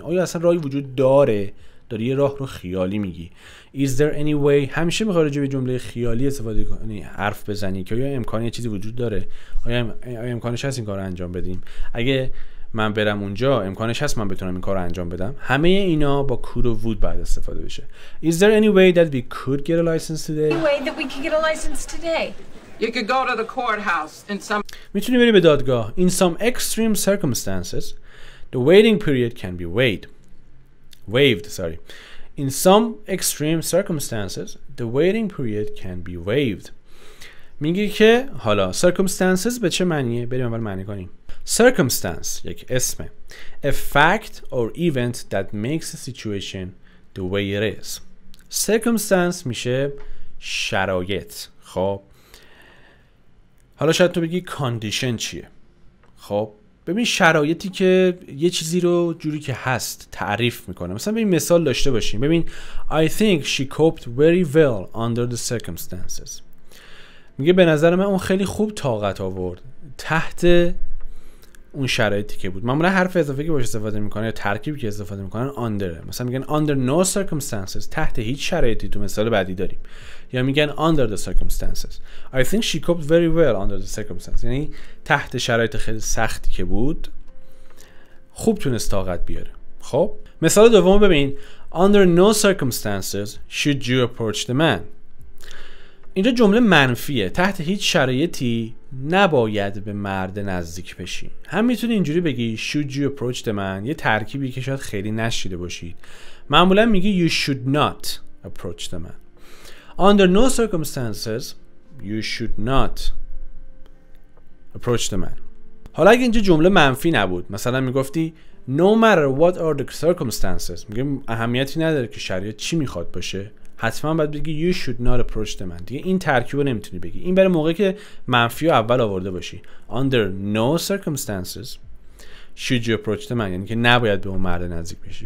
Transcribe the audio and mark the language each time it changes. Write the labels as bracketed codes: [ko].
[fa] آیا اصلا راهی وجود داره؟ داری یه راه رو خیالی میگی. [en] Is there any way؟ [fa] همیشه میخوای راجع به جمله خیالی استفاده کنی، حرف بزنی که آیا امکانی چیزی وجود داره؟ آیا امکانش هست این کار رو انجام بدیم؟ اگه من برم اونجا امکانش هست من بتونم این کار رو انجام بدم؟ همه اینا با could و would باید استفاده بشه. [en] Is there any way that we could get a license today? Any way that we could get a license today? You could go to the courthouse in some. [fa] میتونی بری به دادگاه. [en] In some extreme circumstances, the waiting period can be waived. Sorry. In some extreme circumstances, the waiting period can be waived. [fa] میگه که حالا circumstances به چه معنیه؟ بریم اول معنی کنیم. Circumstance یک اسمه. [en] A fact or event that makes a situation the way it is. [fa] Circumstance میشه شرایط. خب حالا شاید تو بگی condition چیه؟ خب ببین شرایطی که یه چیزی رو جوری که هست تعریف میکنه. مثلا ببین مثال داشته باشیم. ببین [en] I think she coped very well under the circumstances. [fa] میگه به نظر من اون خیلی خوب طاقت آورد تحت اون شرایطی که بود. معمولا حرف اضافه که باش استفاده میکنه یا ترکیبی که استفاده میکنن under. مثلا میگن [en] under no circumstances، [fa] تحت هیچ شرایطی. تو مثال بعدی داریم یا میگن [en] under the circumstances. I think she coped very well under the circumstances، [fa] یعنی تحت شرایط خیلی سختی که بود خوب تونست طاقت بیاره. خب مثال دوم ببین. [en] Under no circumstances should you approach the man. [fa] اینجا جمله منفیه. تحت هیچ شرایطی نباید به مرد نزدیک بشی. هم میتونی اینجوری بگی [en] should you approach the man، [fa] یه ترکیبی که شاید خیلی نشیده باشید. معمولا میگی [en] you should not approach the man. Under no circumstances you should not approach the man. [fa] حالا اگه اینجا جمله منفی نبود، مثلا میگفتی [en] no matter what are the circumstances، [fa] میگه اهمیتی نداره که شرایط چی میخواد باشه، حتما باید بگی [en] you should not approach the man. [fa] دیگه این ترکیب رو نمیتونی بگی. این برای موقعی که منفی رو اول آورده باشی. [en] Under no circumstances should you approach the man، [fa] یعنی که نباید به اون مرد نزدیک بشی.